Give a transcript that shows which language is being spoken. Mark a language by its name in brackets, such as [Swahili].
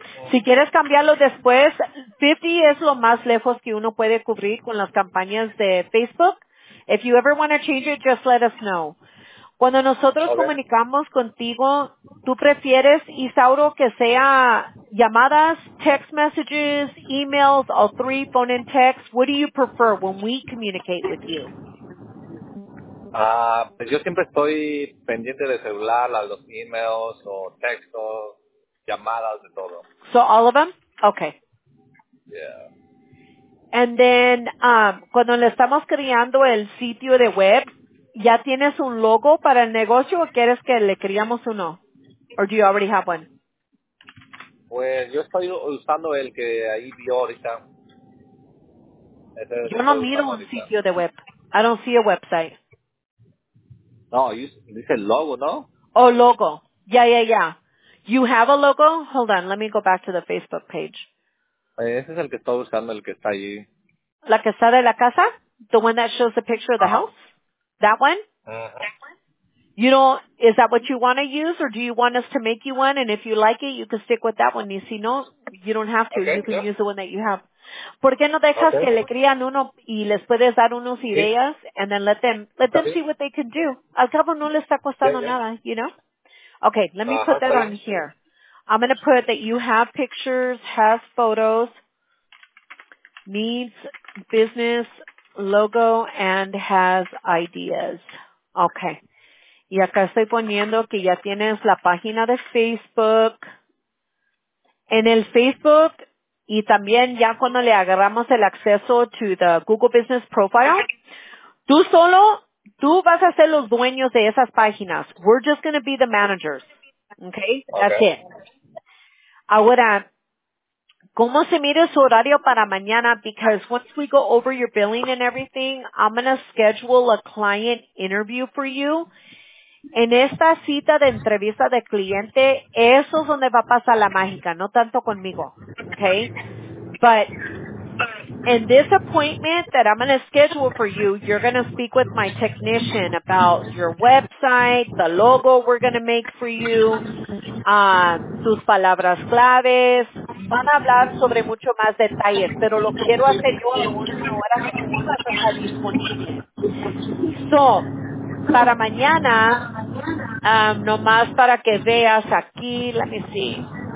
[Spanish] Si quieres cambiarlo después, 50 es lo más lejos que uno puede cubrir con las campañas de Facebook. [English] If you ever want to change it, just let us know. [Spanish] Cuando nosotros comunicamos contigo, ¿tú prefieres, Isauro, que sea llamadas, [English] text messages, emails, all three, phone and text? What do you prefer when we communicate with you? [Spanish] Pues yo siempre estoy pendiente de celular, a los emails o textos, llamadas, de todo. [English] So all of them? Okay. Yeah. And then, [Spanish] cuando le estamos creando el sitio de web, ¿ya tienes un logo para el negocio o quieres que le creamos uno? [English] Or do you already have one? [Spanish] Pues yo estoy usando el que ahí vio ahorita. Yo no miro un sitio de web. [English] I don't see a website. [Spanish] No, dice logo, ¿no? [English] Oh, logo. Yeah. You have a logo? Hold on, let me go back to the Facebook page. [Spanish] Ese es el que estoy usando, el que está allí. ¿La que está de la casa? [English] The one that shows the picture of the house? That one? You know, is that what you want to use, or do you want us to make you one? And if you like it, you can stick with that one. [Spanish] Y si no, [English] you don't have to. Okay, you can use the one that you have. [Spanish] ¿Por qué no dejas que le crean uno y les puedes dar unos ideas? Sí. [English] And then let them see what they can do. [Spanish] Al cabo, no le está costando nada, [English] you know? Okay, let me put that on here. I'm going to put that you have pictures, has photos, needs business logo, and has ideas. Okay. [Spanish] Y acá estoy poniendo que ya tienes la página de Facebook. En el Facebook, y también ya cuando le agarramos el acceso [English] to the Google Business Profile, [Spanish] tú vas a ser los dueños de esas páginas. [English] We're just going to be the managers. Okay? That's it. [Spanish] Ahora, ¿cómo se mide su horario para mañana? [English] Because once we go over your billing and everything, I'm going to schedule a client interview for you. [Spanish] En esta cita de entrevista de cliente, eso es donde va a pasar la mágica, no tanto conmigo, okay? [English] But in this appointment that I'm going to schedule for you, you're going to speak with my technician about your website, the logo we're going to make for you, [Spanish] sus palabras claves. Van a hablar sobre mucho más detalles, pero lo quiero hacer yo a una hora disponible. So, para mañana, nomás para que veas aquí, [English] let me see.